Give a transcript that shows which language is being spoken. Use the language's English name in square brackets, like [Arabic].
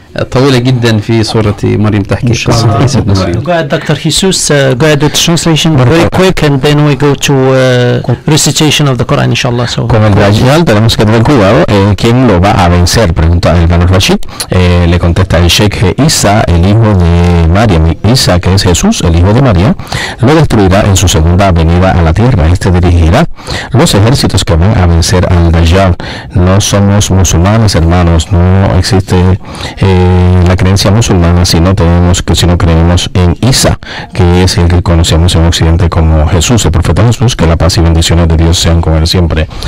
[Arabic] طويلة جدا في سورة مريم تحكي قصة عيسى بن مريم. [English] Go ahead, Dr. Jesus. Go ahead with the translation very quick, and then we go to recitation of the Quran, inshallah. So. [Spanish] Con el Dajjal tenemos que tener cuidado. ¿Quién lo va a vencer? Pregunta el Banu Rashid. Le contesta el Sheikh Isa, el hijo de Mariam. Isa, que es Jesús, el hijo de María, lo destruirá en su segunda venida a la tierra. Este dirigirá los ejércitos que van a vencer al Dajjal. No somos musulmanes, hermanos. No existe la creencia musulmana, si no creemos en Isa, que es el que conocemos en Occidente como Jesús, el profeta Jesús, que la paz y bendiciones de Dios sean con él siempre.